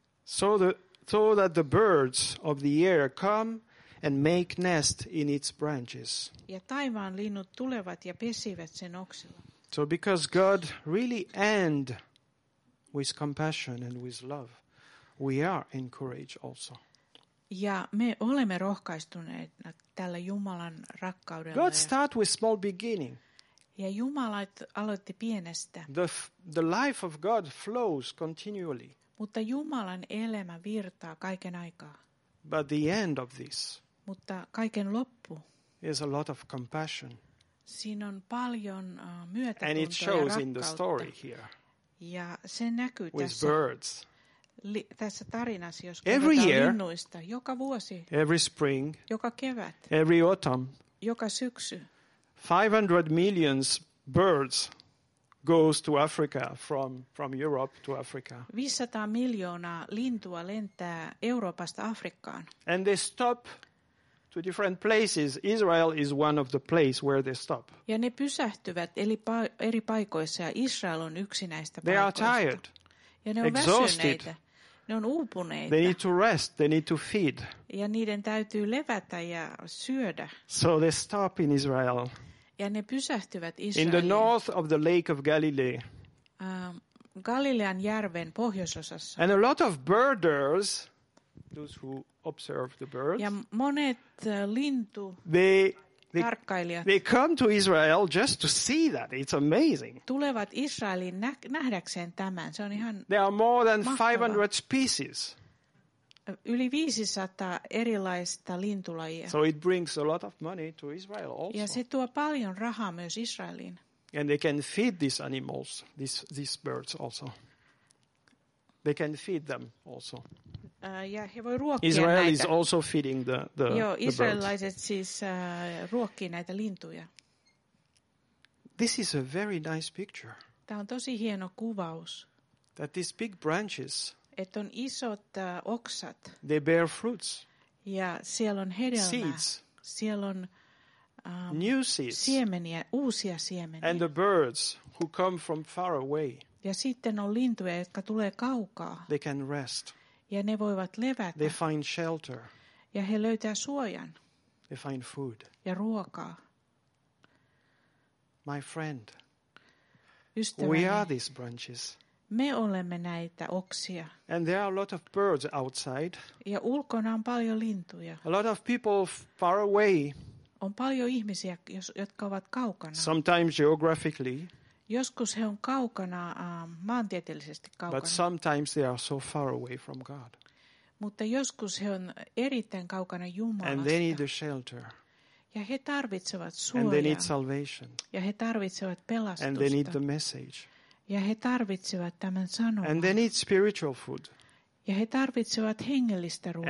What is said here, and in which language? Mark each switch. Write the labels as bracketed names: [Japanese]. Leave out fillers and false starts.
[English] so that the birds of the air come and make nest in its branches. [Finnish] Ja taivaan linnut tulevat ja pesivät sen oksilla. [English] So because God really and with compassion and with love, we are encouraged also. [Finnish] Ja me olemme rohkaistuneet tällä Jumalan rakkaudella. [English] God start with small beginning. [Finnish] Ja Jumala aloitti pienestä. [English] The life of God flows continually. [Finnish] Mutta Jumalan elämä virtaa kaiken aikaa. [English] But the end of this. [Finnish] Mutta kaiken loppu. [English] Is a lot of compassion. [Finnish] Siinä on paljon myötätuntoa ja rakkautta. [English] And it shows [Finnish] ja [English] in the story here. [Finnish] Ja se näkyy [English] with [Finnish] tässä. [English] Birds. [Finnish] Tässä tarinassa, jos kerrotaan linnuista, joka vuosi, [English] every spring, [Finnish] joka kevät, [English] every autumn, [Finnish] joka syksy, [English] 500 million birds goes to Africa from Europe to Africa. [Finnish] 500 miljoonaa lintua lentää Euroopasta Afrikkaan. [English] And they stop to different places. Israel is one of the places where they stop. [Finnish] Ja ne pysähtyvät eri paikoissa ja Israel on yksi näistä [English] they [Finnish] paikoista. [English] They are tired. [Finnish] Ja ne on [English] exhausted. [Finnish] Ne on uupuneita. [English] They need to rest, they need to feed. [Finnish] Ja niiden täytyy levätä ja syödä. [English] So they stop in Israel. [Finnish] Ja ne pysähtyvät Israeliin. [English] In the north of the Lake of Galilee. [Finnish] Galilean järven pohjoisosassa. [English] And a lot of birders, those who observe the birds. [Finnish] Ja monet lintutarkkailijat. [English] They come to Israel just to see that. It's amazing. [Finnish] Tulevat Israeliin nähdäkseen tämän. Se on ihan mahtavaa. [English] There are more than 500 species. [Finnish] Yli 500 erilaista lintulajia. [English] So it brings a lot of money to Israel also. [Finnish] Ja se tuo paljon rahaa myös Israeliin. [English] And they can feed these animals, these birds also. They can feed them also. [Finnish] Ja he voi ruokkia [English] Israel [Finnish] näitä. [English] Is also feeding the [Finnish] joo, israelilaiset [English] the [Finnish] siis ruokkii näitä lintuja. [English] This is a very nice picture. [Finnish] Tämä on tosi hieno kuvaus. [English] That these big branches. [Finnish] Että on isot oksat. [English] They bear fruits. [Finnish] Ja siellä on hedelmää. [English] Seeds. [Finnish] Siellä on [English] new seeds. [Finnish] Siemeniä, uusia siemeniä. [English] And the birds who come from far away. [Finnish] Ja sitten on lintuja, jotka tulee kaukaa. [English] They can rest. [Finnish] Ja ne voivat levätä. [English] They find shelter. [Finnish] Ja he löytää suojan. [English] They find food. [Finnish] Ja ruokaa. [English] My friend. [Finnish] Ystäväni. [English] We are these branches. [Finnish] Me olemme näitä oksia. [English] And there are a lot of birds outside. [Finnish] Ja ulkona on paljon lintuja. [English] A lot of people far away. [Finnish] On paljon ihmisiä, jotka ovat kaukana. [English] Sometimes geographically. [Finnish] Joskus he on kaukana, maantieteellisesti kaukana. [English] But sometimes they are so far away from God. [Finnish] Mutta joskus he on erittäin kaukana Jumalasta. [English] And they need a shelter. [Finnish] Ja he tarvitsevat suojaa. [English] And they need salvation. [Finnish] Ja he tarvitsevat pelastusta. [English] And they need the message. [Finnish] Ja he tarvitsevat tämän sanoman. [English] And they need spiritual food. [Finnish] Ja he tarvitsevat hengellistä ruokaa.